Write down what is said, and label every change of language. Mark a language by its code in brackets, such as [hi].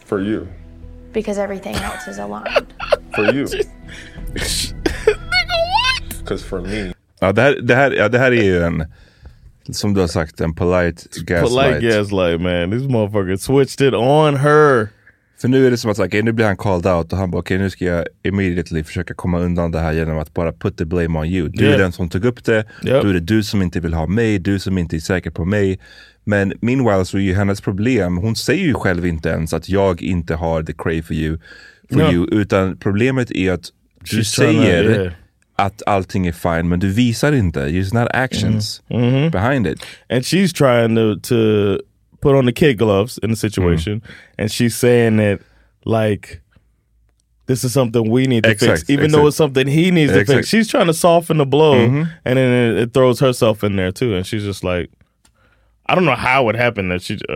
[en] For you. Because everything else is aligned. For you. Nigga, what? Because for me. [sv] That had even Som du har sagt, en polite gaslight. [en] Polite gaslight, man. This motherfucker switched it on her. [sv] För nu är det som att okay, nu blir han called out och han bara okej, nu ska jag immediately försöka komma undan det här genom att bara put the blame on you. Du är den som tog upp det, du är det du som inte vill ha mig, du som inte är säker på mig. Men meanwhile så är ju hennes problem, hon säger ju själv inte ens att jag inte har the crave for you, utan problemet är att du säger att allting är fine, men du visar inte. [en] You're not actions behind it. And she's trying to put on the kid gloves in the situation, and she's saying that like this is something we need to fix, even though it's something he needs to fix. She's trying to soften the blow, and then it throws herself in there too, and she's just like, I don't know how it happened that she.